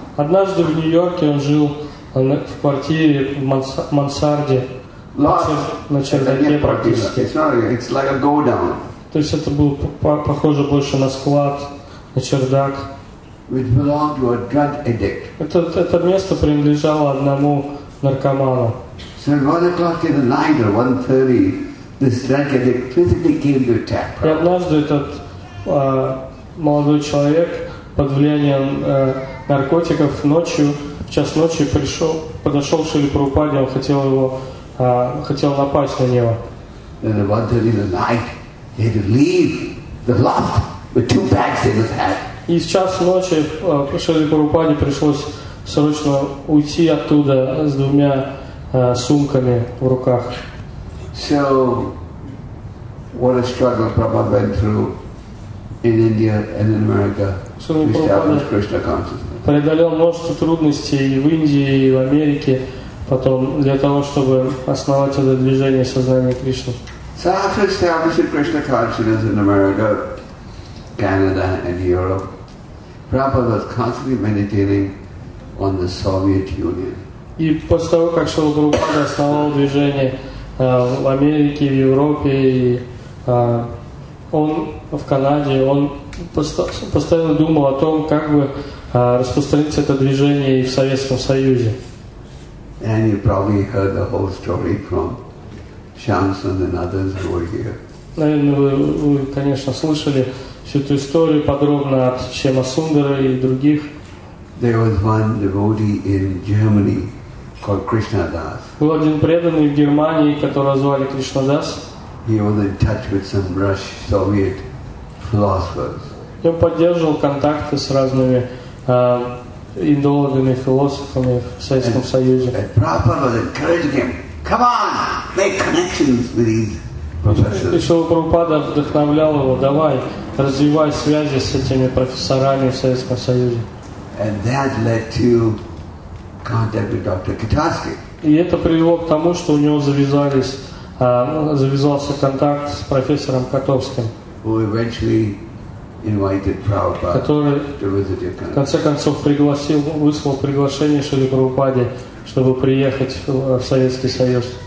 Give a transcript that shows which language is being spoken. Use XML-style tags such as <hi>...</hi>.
<ru>Однажды в Нью-Йорке он жил в квартире в мансарде, на чердаке практически. То есть это было похоже больше на склад, на чердак. Это место принадлежало одному наркоману.</ru> <en>So at 1 o'clock in the night or 1:30, this drug addict physically came to attack.</en> <ru>И однажды этот молодой человек под влиянием наркотиков ночью, в час ночи пришел, подошел к Шриле Прабхупаде, он хотел его, хотел напасть на него. И в час ночи Шриле Прабхупаде пришлось срочно уйти оттуда с двумя сумками в руках.</ru> <en>So, what a struggle Prabhupada went through in India and in America to establish Krishna consciousness.</en> <ru>Преодолел множество трудностей и в Индии, и в Америке, потом для того, чтобы основать это движение сознания Кришны.</ru> <en>So, after establishing Krishna consciousness in America, Canada, and Europe, Prabhupada was constantly meditating on the Soviet Union.</en> <ru>И после того, как Шрила Прабхупада основал движение в Америке, в Европе, и он в Канаде, он постоянно думал о том, как бы распространить это движение и в Советском Союзе.</ru> <en>And you probably heard the whole story from Shamsun and others who were here.</en> <ru>Наверное, вы, конечно, слышали всю эту историю подробно от Шема Сундара и других.</ru> <en>There was one devotee in Germany called Krishna Das.</en> <ru>Был один преданный в Германии, которого звали Кришна Дас.</ru> <en>He was in touch with some Russian Soviet philosophers.</en> <ru>Он поддерживал контакты с разными индологами, философами в Советском Союзе.</ru> <en>And Prabhupada was encouraging him, "Come on, make connections with these professors."</en> <ru>И Шрила Прабхупада вдохновлял его: "Давай, развивай связи с этими профессорами в Советском Союзе."</ru> <en>And that led to contact with Dr. Katarsky.</en> <ru>И это привело к тому, что у него завязался контакт с профессором Котовским, который в конце концов выслал приглашение Шриле Прабхупаде, чтобы приехать в Советский Союз.</ru>